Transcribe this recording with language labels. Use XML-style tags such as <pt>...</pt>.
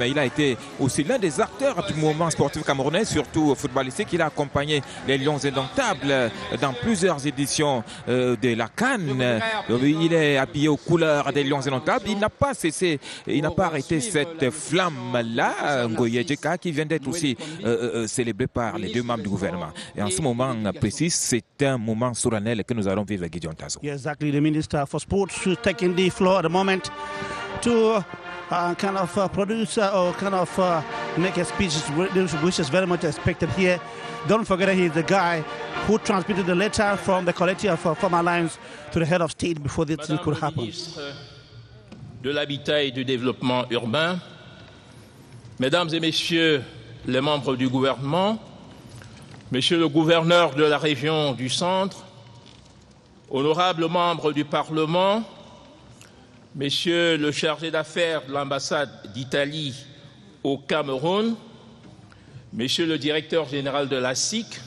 <fr>Il a été aussi l'un des acteurs du mouvement sportif camerounais, surtout footballistique. Il a accompagné les Lions Indomptables dans plusieurs éditions de la CAN. Il est habillé aux couleurs des Lions Indomptables. Il n'a pas cessé, il n'a pas arrêté cette flamme-là. Ngoye Djeka, qui vient d'être aussi célébré par les deux membres du gouvernement. Et en ce moment précis, c'est un moment solennel que nous allons vivre avec Gideon Tazo.</fr> <en>Exactly, the minister for sports who's taking the floor at the moment to kind of produce or kind of make a speech, which is very much expected here. Don't forget that he's the guy who transmitted the letter from the collective of former Lions to the head of state before this</en> <fr>Madame</fr> <en>could happen.</en> <fr>Madame la ministre de l'Habitat et du Développement Urbain, mesdames et messieurs les membres du gouvernement, monsieur le gouverneur de la région du centre, honorables membres du Parlement, monsieur le chargé d'affaires de l'ambassade d'Italie au Cameroun, monsieur le directeur général de la SIC,</fr>